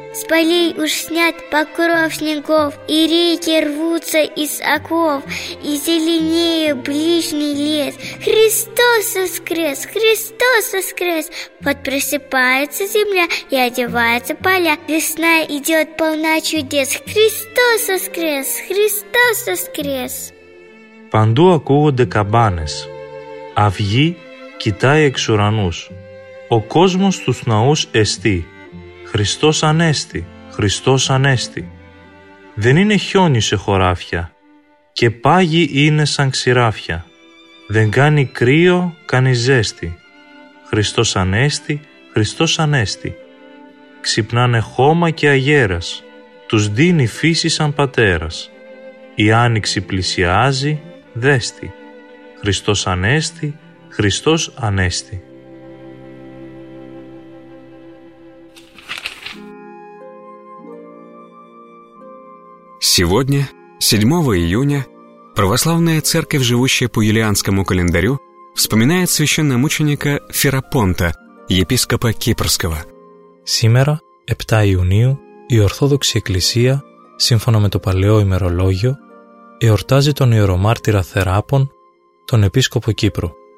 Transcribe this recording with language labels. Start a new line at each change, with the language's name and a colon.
Russian: С полей уж снят покров снегов, и реки рвутся из оков, и зеленее ближний лес. Христос воскрес, Христос воскрес! Вот просыпается земля и одевается поля, весна идет полна чудес. Христос воскрес, Христос воскрес!
Greek: Панду ακούω декабанес, αυγή κοιτάει εξ ουρανούς, ο κόσμος στους ναούς εστί. Χριστός Ανέστη, Χριστός Ανέστη. Δεν είναι χιόνι σε χωράφια και πάγι είναι σαν ξηράφια. Δεν κάνει κρύο, κάνει ζέστη. Χριστός Ανέστη, Χριστός Ανέστη. Ξυπνάνε χώμα και αγέρας, τους δίνει φύση σαν πατέρας. Η άνοιξη πλησιάζει, δέστη. Χριστός Ανέστη, Χριστός Ανέστη.
Russian: Сегодня, 7 июня, православная церковь, живущая по юлианскому календарю, вспоминает священномученика Ферапонта, епископа кипрского. Сегодня, 7 июня,
Greek: η Ορθόδοξη Εκκλησία, σύμφωνα με το παλαιό ημερολόγιο, εορτάζει τον ιερομάρτυρα Θεράπων, τον επίσκοπο Κύπρου.